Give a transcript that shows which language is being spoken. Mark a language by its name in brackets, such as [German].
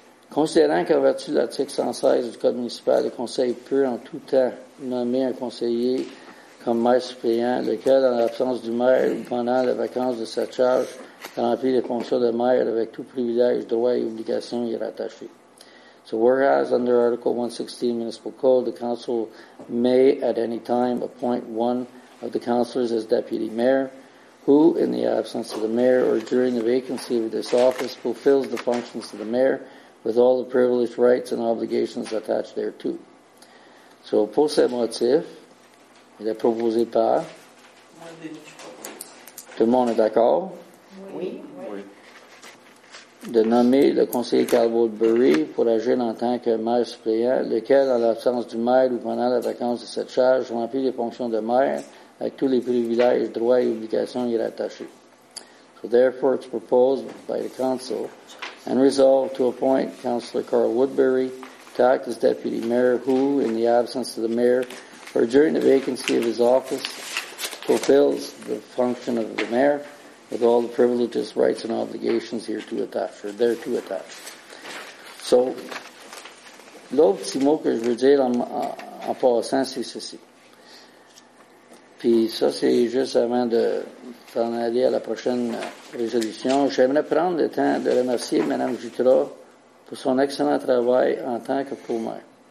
[French] Considérant qu'en vertu de l'article 116 du Code municipal, le conseil peut en tout temps nommer un conseiller comme maire suppléant, lequel, en l'absence du maire ou pendant la vacance de sa charge, remplit les fonctions de maire avec tout privilège, droit et obligation y rattaché. [English] So, whereas, under Article 116 Municipal Code, the Council may, at any time, appoint one of the councillors as deputy mayor, who, in the absence of the mayor or during the vacancy of this office, fulfills the functions of the mayor with all the privileged rights and obligations attached thereto. [French] So, pour ce motif, il est proposé par? Moi, je propose. Tout le monde est d'accord? Oui. Oui. de nommer le conseiller Carl Woodbury pour agir en tant que maire suppléant, lequel, en l'absence du maire ou pendant la vacance de cette charge, remplit les fonctions de maire avec tous les privilèges, droits et obligations y rattachés. [English] So therefore, it's proposed by the council and resolved to appoint Councillor Carl Woodbury to act as deputy mayor, who, in the absence of the mayor, or during the vacancy of his office, fulfills the function of the mayor with all the privileges, rights, and obligations hereto attached, or thereto attached. [French] So, l'autre petit mot que je veux dire en passant, c'est ceci. Puis ça, c'est juste avant de t'en aller à la prochaine résolution. J'aimerais prendre le temps de remercier Mme Jutras pour son excellent travail en tant que pro-maire.